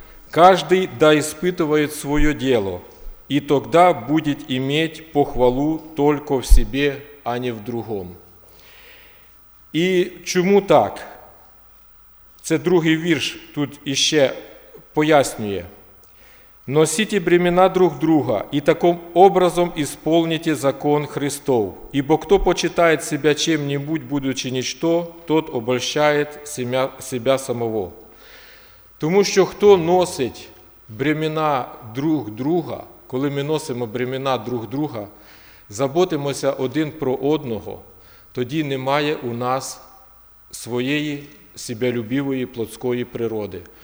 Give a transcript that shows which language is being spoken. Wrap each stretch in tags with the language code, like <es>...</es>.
<ru>«Каждый да испытывает свое дело, и тогда будет иметь похвалу только в себе, а не в другом».</ru> <uk>І чому так? Це другий вірш тут іще пояснює.</uk> <ru>«Носите бремена друг друга, и таким образом исполните закон Христов. Ибо кто почитает себя чем-нибудь, будучи ничто, тот обольщает себя самого».</ru> <uk>Тому що хто носить бремена друг друга, коли ми носимо бремена друг друга, заботимося один про одного, тоді немає у нас своєї себелюбивої плотської природи.</uk>